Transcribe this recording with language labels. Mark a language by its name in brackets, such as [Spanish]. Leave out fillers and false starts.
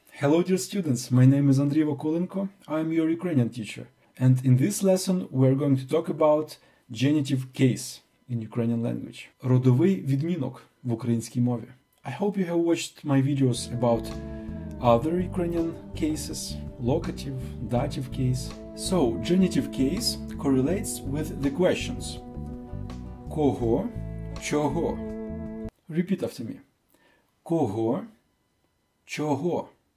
[English] Hello dear students, my name is Andriy Vakulenko, I am your Ukrainian teacher, and in this lesson we are going to talk about genitive case in Ukrainian language. [Ukrainian] Родовий відмінок в українській мові. [English] I hope you have watched my videos about other Ukrainian cases, locative, dative case. So, genitive case correlates with the questions. [Ukrainian] Кого? Чого? [English] Repeat after me. Кого? Чого?